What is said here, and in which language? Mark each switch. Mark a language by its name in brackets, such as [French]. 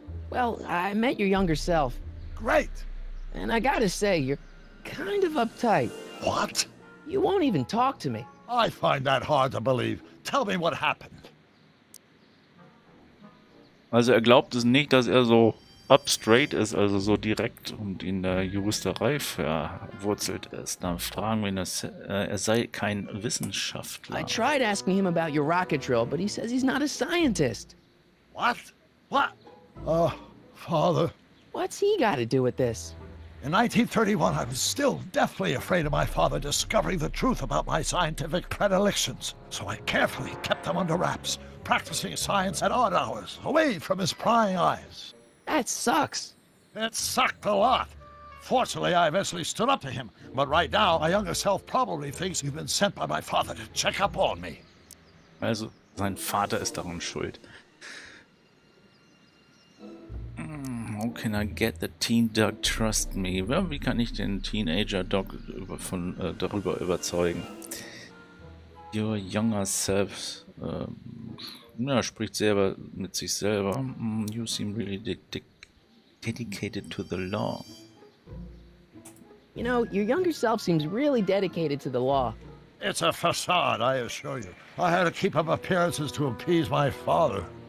[English] Well, I met your younger self. Great! And I gotta say, you're kind of uptight. What? You won't even talk to me. I find that hard to believe. Tell me what happened. [German] Also er glaubt es nicht, dass er so up straight ist, also so direkt und in der Juristerei verwurzelt ist. Dann fragen wir ihn, dass er sei kein Wissenschaftler. [English] I tried asking him about your rocket drill, but he says he's not a scientist. What? What? Father. What's he got to do with this? In 1931, I was still deathly afraid of my father discovering the truth about my scientific predilections. So I carefully kept them under wraps, practicing science at odd hours, away from his prying eyes. That sucks. It sucked a lot. Fortunately, I eventually stood up to him. But right now, my younger self probably thinks you've been sent by my father to check up on me. [German] Also, sein Vater ist daran schuld. [English] How can I get the teen Doc trust me? [German] Wie kann ich den Teenager Doc darüber überzeugen? [English] Your younger self [German] spricht selber mit sich selber. [English] You seem really dedicated to the law. You know, your younger self seems really dedicated to the law. It's a facade, I assure you. I had to keep up appearances to appease my father.